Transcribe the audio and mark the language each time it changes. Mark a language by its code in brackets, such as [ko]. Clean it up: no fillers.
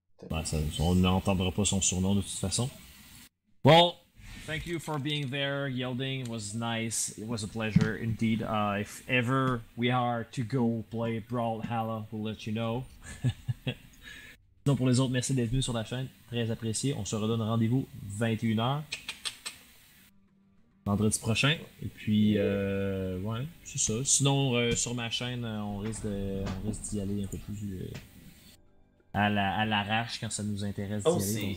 [fr] Ben, on n'entendra pas son surnom de toute façon. Bon, [en] Thank you for being there. Yielding was nice. It was a pleasure indeed. If ever we are to go play Brawlhalla, we'll let you know. [fr] Sinon pour les autres, merci d'être venu sur la chaîne. Très apprécié. On se redonne rendez-vous 21h. Vendredi prochain. Et puis, ouais, c'est ça. Sinon, sur ma chaîne, on risque d'y aller un peu plus à l'arrache quand ça nous intéresse d'y aller.